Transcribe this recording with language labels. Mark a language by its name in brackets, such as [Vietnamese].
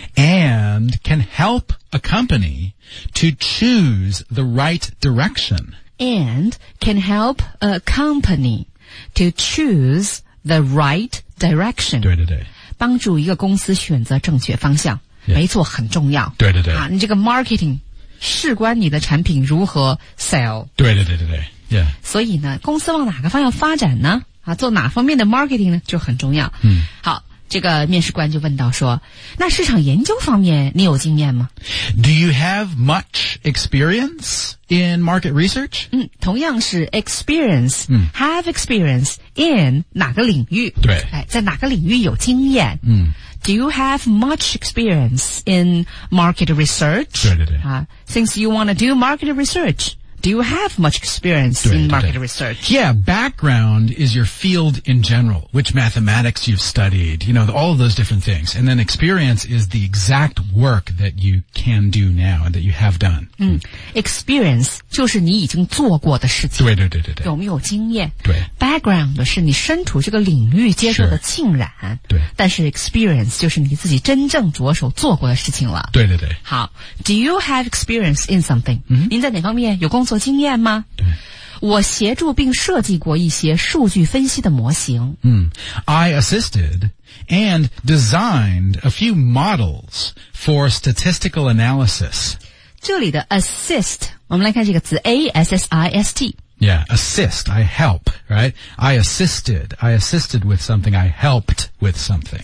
[English] and can help a company to choose the right direction and can help a company to choose the right direction [Chinese] 对对对帮助一个公司选择正确方向 [English] Yeah. [Chinese] 没错很重要对对对、啊、你这个 marketing 事关你的产品如何 sell 对对对对对、 [English] yeah. [Chinese] 所以呢公司往哪个方向发展呢、啊、做哪方面的 marketing 呢就很重要、好这个面试官就问到说那市场研究方面你有经验吗 [English] Do you have much experience in market research?、 [Chinese] 同样是 [English] experience、have experience in [Chinese] 哪个领域对、哎、在哪个领域有经验嗯 [English] Do you have much experience in market research? [Chinese] 对对对、 [English] Since you want to do market research, do you have much experience [Chinese] 对对对 [English] in market research? Yeah, background is your field in general, which mathematics you've studied, you know, all of those different things. And then experience is the exact work that you can do now and that you have done.、 [Chinese] Experience 就是你已经做过的事情。对对对对对。有没有经验？对。 Background 是你身处这个领域接受的浸染。 [English] Sure. [Chinese] 但是 experience 就是你自己真正着手做过的事情了。对对对。好 , [English] do you have experience in something?、 [Chinese] 您在哪方面有工作经验吗对。我协助并设计过一些数据分析的模型。 [English] I assisted and designed a few models for statistical analysis. [Chinese] 这里的 assist, 我们来看这个词 ,A-S-S-I-S-T。 [English] Yeah, assist, I help, right? I assisted with something, I helped with something.